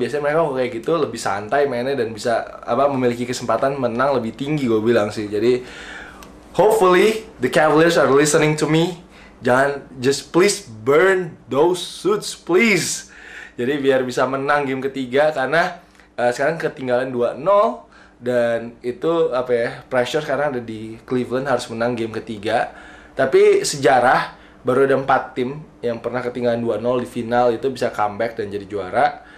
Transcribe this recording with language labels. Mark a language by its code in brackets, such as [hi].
[id] Biasanya mereka kok kayak gitu lebih santai mainnya dan bisa apa memiliki kesempatan menang lebih tinggi, gue bilang sih. [en] Jadi hopefully the Cavaliers are listening to me. Jangan, just please burn those suits, please. [id] Jadi biar bisa menang game ketiga, karena sekarang ketinggalan 2-0 dan itu apa ya, pressure sekarang ada di Cleveland harus menang game ketiga. Tapi sejarah baru ada 4 tim yang pernah ketinggalan 2-0 di final itu bisa comeback dan jadi juara.